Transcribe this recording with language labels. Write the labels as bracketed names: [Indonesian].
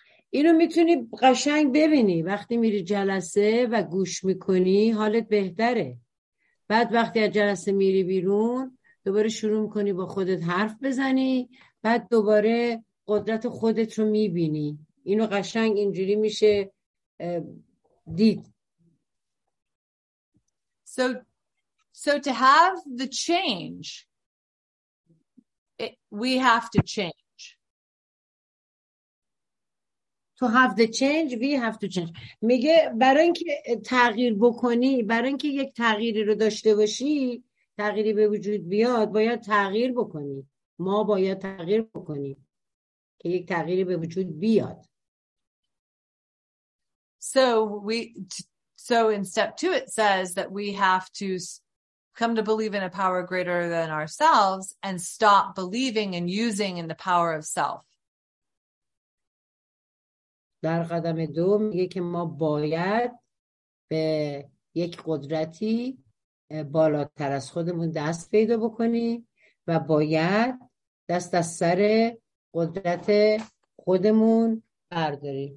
[Persian] اینو میتونی قشنگ ببینی وقتی میری جلسه و گوش میکنی حالت بهتره. بعد وقتی از جلسه میری بیرون دوباره شروع میکنی با خودت حرف بزنی، بعد دوباره قدرت خودت رو میبینی. اینو قشنگ اینجوری میشه دید. [English] So to have the change, we have to change. To have the change, we have to change. [Persian] میگه برای اینکه تغییر بکنی، برای اینکه یک تغییری رو داشته باشی، تغییری به وجود بیاد، باید تغییر بکنی. ما باید تغییر بکنیم که یک تغییری به وجود بیاد. [English] So in step two, it says that we have to come to believe in a power greater than ourselves and stop believing and using in the power of self. [Persian] در قدم دو میگه که ما باید به یک قدرتی بالاتر از خودمون دست پیدا بکنیم و باید دست از سر قدرت خودمون برداریم.